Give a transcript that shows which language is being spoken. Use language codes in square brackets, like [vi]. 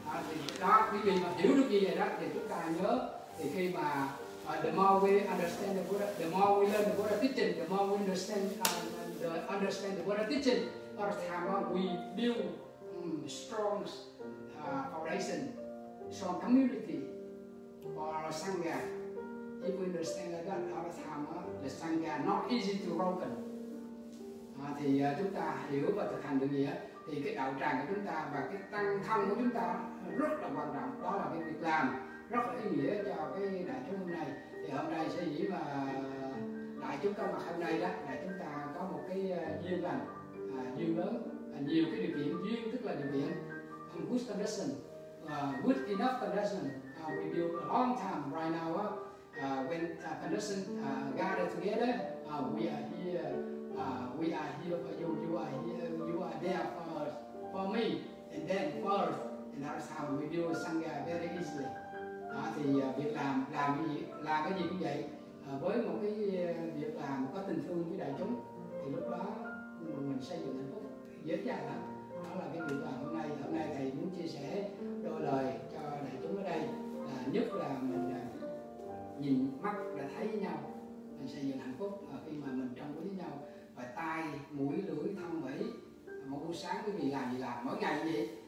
[vi] Thì đó, quý vị mà hiểu được như vậy đó, thì chúng ta nhớ, thì khi mà [en] the more we understand the Buddha, the more we learn the Buddha teaching, the more we understand the Buddha teaching, or time we build strong foundation, strong community for our Sangha. If we understand like that, our time the Sangha not easy to broken. [vi] Thì chúng ta hiểu và thực hành được nghĩa, thì cái đạo tràng của chúng ta và cái tăng thân của chúng ta rất là quan trọng. Đó là cái việc làm rất là ý nghĩa cho cái đại chúng hôm nay. Thì hôm nay sẽ nghĩ mà đại chúng có mặt hôm nay đó, đại chúng ta có một cái duyên lành, duyên lớn, nhiều cái điều kiện, duyên tức là điều kiện, [en] good condition, good enough condition. We build a long time right now, when condition gathered together, we are here for you, you are here, you are there for me, and then for us. And that's how we do Sangha very easily. [vi] Đó, thì việc làm cái gì cũng vậy, với một cái việc làm có tình thương với đại chúng, thì lúc đó mình xây dựng hạnh phúc dễ dàng lắm. Đó là cái việc làm hôm nay thầy muốn chia sẻ đôi lời cho đại chúng ở đây, là nhất là mình nhìn mắt đã thấy với nhau, mình xây dựng hạnh phúc khi mà mình trong với nhau, và tai mũi lưỡi thân mỹ một buổi sáng cái gì làm mỗi ngày vậy.